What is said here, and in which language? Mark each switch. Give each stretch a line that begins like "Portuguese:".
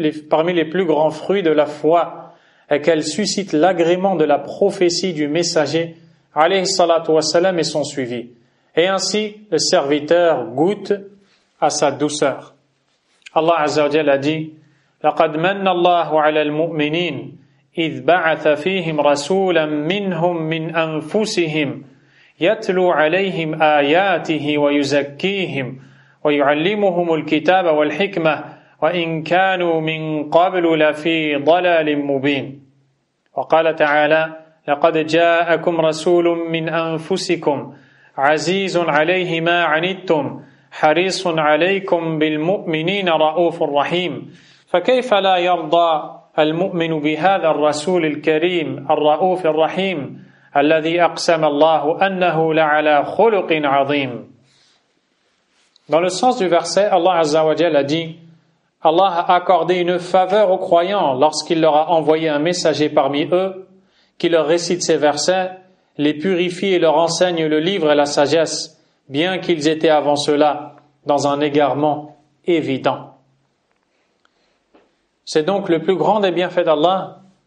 French: Parmi les plus grands fruits de la foi est qu'elle suscite l'agrément de la prophétie du messager alayhi salatu wa salam et son suivi. Et ainsi, le serviteur goûte à sa douceur. Allah Azza wa Jalla a dit,
Arabic: لَقَدْ مَنَّ اللَّهُ عَلَى الْمُؤْمِنِينَ إِذْ بَعَثَ فِيهِمْ رَسُولًا مِّنْهُمْ مِّنْ أَنفُسِهِمْ يَتْلُوا عَلَيْهِمْ آيَاتِهِ وَيُزَكِّيهِمْ وَيُعَلِّمُهُمُ الْكِتَابَ وَالْحِكْمَةَ وَإِنْ كَانُوا مِنْ قَبْلُ لَفِي ضَلَالٍ مُّبِينٍ. وقال تعالى, لقد جاءكم رسول من أنفسكم عزيز عليه ما عنتم حريص عليكم بالمؤمنين رؤوف رحيم فكيف لا يرضى المؤمن بهذا الرسول الكريم الرؤوف الرحيم الذي أقسم الله أنه لعلى خلق عظيم.
French: Dans le sens du verset, Allah Azza wa Jalla dit, Allah a accordé une faveur aux croyants lorsqu'il leur a envoyé un messager parmi eux qui leur récite ces versets, les purifie et leur enseigne le livre et la sagesse, bien qu'ils étaient avant cela dans un égarement évident. C'est donc le plus grand des bienfaits d'Allah